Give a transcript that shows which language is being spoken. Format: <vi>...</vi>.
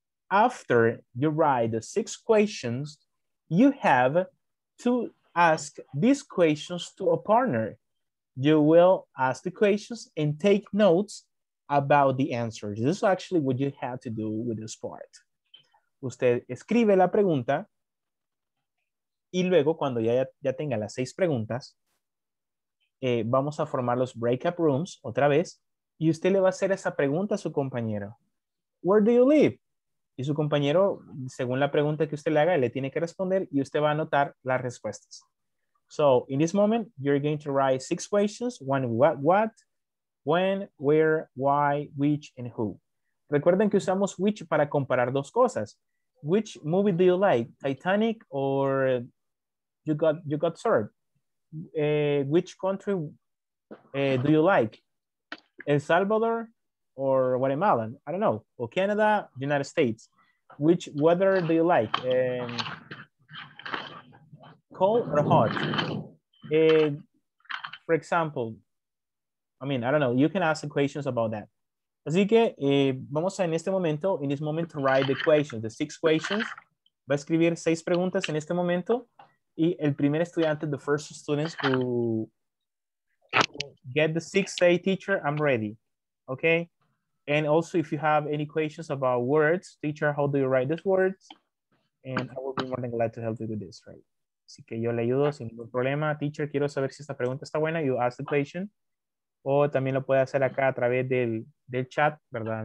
<en>After you write the 6 questions, you have to ask these questions to a partner. You will ask the questions and take notes about the answers. This is actually what you have to do with this part.</en> <es>Usted escribe la pregunta y luego cuando ya tenga las 6 preguntas, vamos a formar los breakout rooms otra vez y usted le va a hacer esa pregunta a su compañero.</es> <en>Where do you live?</en> <es>Y su compañero, según la pregunta que usted le haga, le tiene que responder y usted va a anotar las respuestas.</es> <en>So, in this moment, you're going to write 6 questions, one what, when, where, why, which, and who.</en> <es>Recuerden que usamos which para comparar dos cosas.</es> <en>Which movie do you like? Titanic or you got served? Which country do you like? El Salvador or Guatemala? I don't know. Or Canada, United States. Which weather do you like? Cold or hot? For example, I mean, I don't know. You can ask the questions about that.</en> <es>Así que vamos a en este momento</es> <en>write the questions, the 6 questions.</en> <es>Va a escribir 6 preguntas en este momento. Y el primer estudiante,</es> <en>the first students who get the 6, say, teacher, I'm ready. Okay? And also, if you have any questions about words, teacher, how do you write these words? And I will be more than glad to help you with this, right?</en> <es>Así que yo le ayudo sin ningún problema. Teacher, quiero saber si esta pregunta está buena.</es> <en>You ask the question.</en> <es>O también lo puede hacer acá a través del chat, ¿verdad?</es>